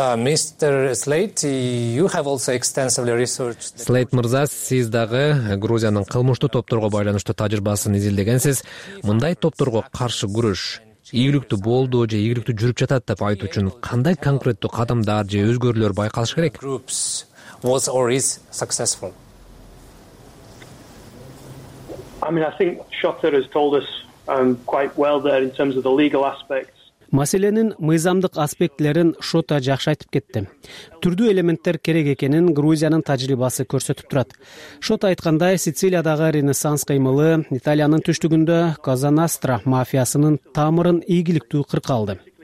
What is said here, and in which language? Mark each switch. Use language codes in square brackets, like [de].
[en] Мистер Слейт, you have also extensively researched. [ky] Слейт мырза, сиз дагы Грузиянын кылмыштуу топторго байланыштуу тажрыйбасын изилдегенсиз. Мындай топторго каршы күрөш ийгиликтүү болду же ийгиликтүү жүрүп жатат деп айтуу үчүн кандай конкреттүү кадамдар же өзгөрүүлөр байкалыш керек? [en] Groups was or is successful. I mean, I think Schotter has told us quite well there in terms of the legal aspects. [ky] Маселенин мыйзамдык аспектлерин Шота жакшы айтып кетти. Түрдүү элементтер керек экенин Грузиянын тажрыйбасы көрсөтүп турат. Шота айткандай, Сицилиядагы Ренессанс кыймылы Италиянын түштүгүндө Казанастра мафиясынын тамырын ийгиликтүү кырка алды.